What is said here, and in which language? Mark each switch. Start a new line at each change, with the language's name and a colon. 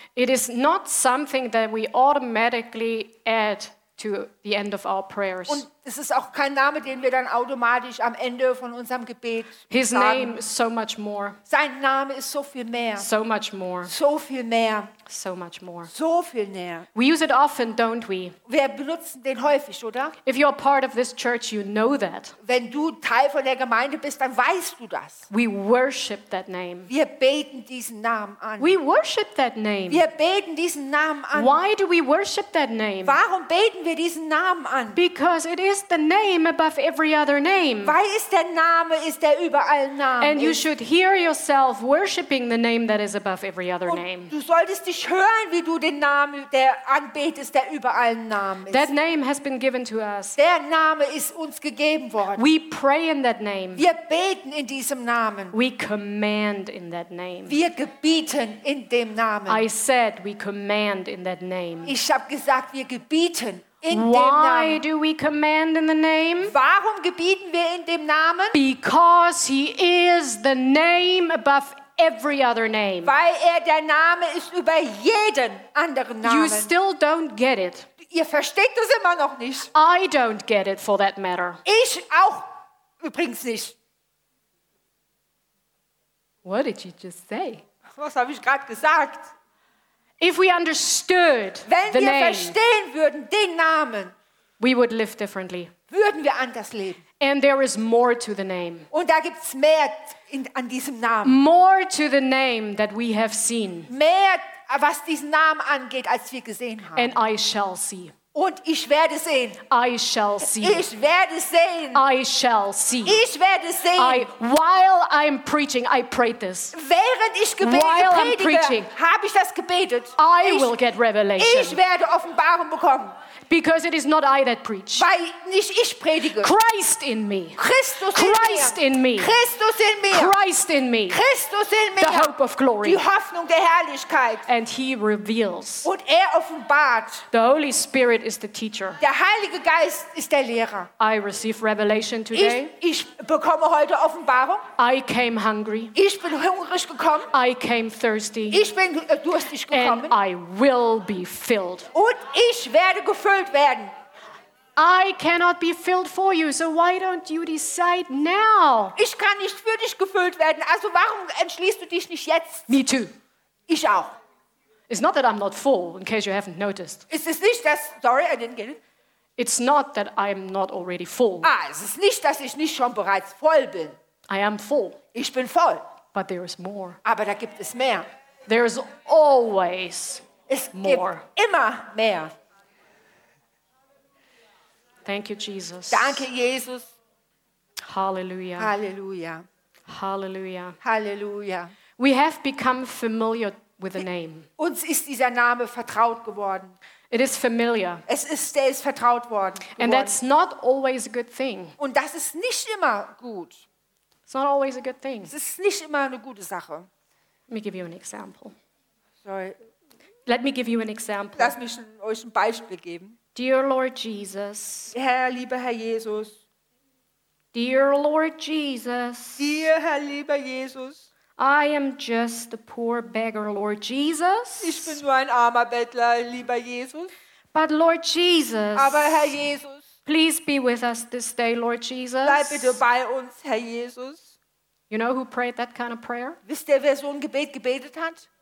English: It is not something that we automatically add to the end of our prayers.
German: Und es ist auch kein Name, den wir dann automatisch am Ende von unserem Gebet sagen.
English: His name is so much more.
German: Sein Name ist so viel mehr.
English: So much more.
German: So viel mehr.
English: So much more.
German: So viel mehr.
English: We use it often, don't we?
German: Wir benutzen den häufig, oder?
English: If you're part of this church, you know that.
German: Wenn du Teil von der Gemeinde bist, dann weißt du das.
English: We worship that name.
German: Wir beten diesen Namen an.
English: We worship that name.
German: Wir beten diesen Namen an.
English: Why do we worship that name?
German: Warum beten wir diesen Namen an?
English: Because it is the name above every other name.
German: Weil ist der Name ist der über allen Namen.
English: And you should hear yourself worshiping the name that is above every other name.
German: Du solltest dich hören, wie du den Namen der anbetest, der über allen Namen ist.
English: That name has been given to us.
German: Der Name ist uns gegeben worden.
English: We pray in that name.
German: Wir beten in diesem Namen.
English: We command in that name.
German: Wir gebieten in dem Namen.
English: I said we command in that name.
German: Ich habe gesagt, wir gebieten.
English: Why do we command in the name?
German: Warum gebieten wir in dem Namen?
English: Because he is the name above every other name.
German: Weil er der Name ist über jeden anderen Namen.
English: You still don't get it.
German: Ihr versteht das immer noch nicht.
English: I don't get it for that matter.
German: Ich auch übrigens nicht.
English: What did you just say?
German: Was habe ich gerade gesagt?
English: If we understood
German: wenn
English: the
German: wir
English: name,
German: verstehen würden den Namen,
English: we would live differently.
German: Würden wir anders leben.
English: And there is more to the name.
German: Und da gibt's mehr an diesem Namen.
English: More to the name that we have seen.
German: Mehr, was diesen Namen angeht, als wir gesehen haben.
English: And I shall see.
German: Und ich werde sehen.
English: I shall see.
German: Ich werde sehen.
English: I shall see.
German: Ich werde sehen.
English: While I'm preaching, I prayed this.
German: Während ich predige, habe ich das gebetet.
English: Will get revelation.
German: Ich werde Offenbarung bekommen.
English: Because it is not I that preach.
German: Weil nicht ich predige.
English: Christ in me.
German: Christus
English: Christ
German: in mir. Christus in mir.
English: Christ in me.
German: Christus in mir.
English: The hope of glory.
German: Die Hoffnung der Herrlichkeit.
English: And he reveals.
German: Und offenbart.
English: The Holy Spirit is the teacher.
German: Der Heilige Geist ist der Lehrer.
English: I receive revelation today.
German: Ich bekomme heute Offenbarung.
English: I came hungry.
German: Ich bin hungrig gekommen.
English: I came thirsty.
German: Ich bin durstig gekommen.
English: And I will be filled.
German: Und ich werde gefüllt werden.
English: I cannot be filled for you, so why don't you decide now?
German: Ich kann nicht für dich gefüllt werden, also warum entschließt du dich nicht jetzt?
English: Me too.
German: Ich auch.
English: It's not that I'm not full, in case you haven't noticed.
German: Ist es nicht das?
English: Sorry, I didn't get it. It's not that I'm not already full.
German: Ah, es ist nicht, dass ich nicht schon bereits voll bin.
English: I am full.
German: Ich bin voll.
English: But there is more.
German: Aber da gibt es mehr.
English: There is always
German: es
English: more.
German: Gibt immer mehr.
English: Thank you, Jesus.
German: Danke, Jesus. Hallelujah. Hallelujah. Hallelujah. Hallelujah.
English: We have become familiar with the name.
German: Uns ist dieser Name vertraut geworden.
English: It is familiar.
German: Es ist, der ist vertraut worden.
English: And that's not always a good thing.
German: Und das ist nicht immer gut.
English: It's not always a good thing.
German: Es ist nicht immer eine gute Sache.
English: Let me give you an example. Sorry. Let me give you an example.
German: Lass mich euch ein Beispiel geben.
English: Dear Lord Jesus.
German: Herr, lieber Herr Jesus.
English: Dear Lord Jesus.
German: Dear Herr, lieber Jesus.
English: I am just a poor beggar, Lord Jesus.
German: Ich bin nur ein armer Bettler, lieber Jesus.
English: But Lord Jesus.
German: Aber Herr Jesus.
English: Please be with us this day, Lord Jesus.
German: Bleib bitte bei uns, Herr Jesus.
English: You know who prayed that kind of prayer?
German: Wisst ihr, wer so ein Gebet gebetet hat?